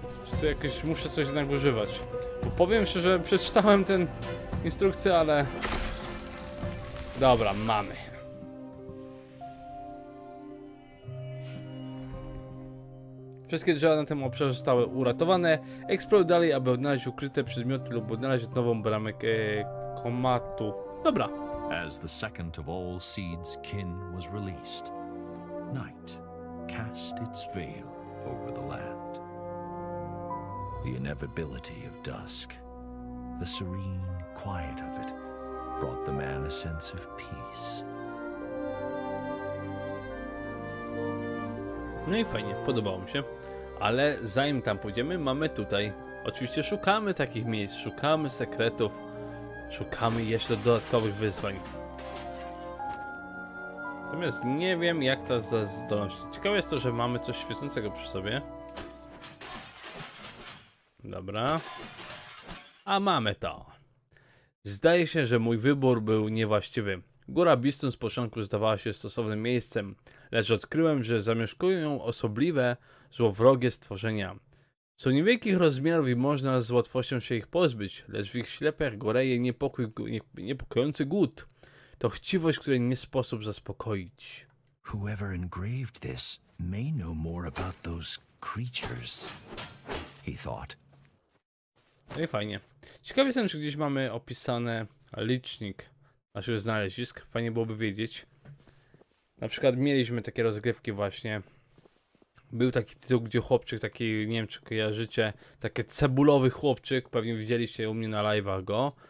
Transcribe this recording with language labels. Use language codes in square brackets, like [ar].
[pl] Czy tu jakieś muszę coś jednak używać? Bo powiem szczerze, że przeczytałem tę instrukcję, ale. Dobra, mamy. Wszystkie drzewa na tym obszarze zostały uratowane. Eksploruj dalej, aby odnaleźć ukryte przedmioty lub odnaleźć nową bramę komatu. Dobra. [en] As the second of all seeds kin was released, night cast its veil over the land. The inevitability of dusk, the serene quiet of it, brought the man a sense of peace. [pl] No i fajnie, podobało mi się. Ale zanim tam pójdziemy, mamy tutaj. Oczywiście szukamy takich miejsc, szukamy sekretów, szukamy jeszcze dodatkowych wyzwań. Natomiast nie wiem, jak ta zdolność. Ciekawe jest to, że mamy coś świecącego przy sobie. Dobra. A mamy to. Zdaje się, że mój wybór był niewłaściwy. Góra Bistun z początku zdawała się stosownym miejscem, lecz odkryłem, że zamieszkują ją osobliwe, złowrogie stworzenia. Są niewielkich rozmiarów i można z łatwością się ich pozbyć, lecz w ich ślepiach goreje niepokojący głód. To chciwość, której nie sposób zaspokoić. [en] Whoever engraved this may know more about those creatures, he thought. [pl] No i fajnie. Ciekawie jestem, czy gdzieś mamy opisane licznik naszych znalezisk. Fajnie byłoby wiedzieć. Na przykład mieliśmy takie rozgrywki właśnie. Był taki tytuł, gdzie chłopczyk, taki, nie wiem czy kojarzycie, taki cebulowy chłopczyk, pewnie widzieliście u mnie na live'ach go.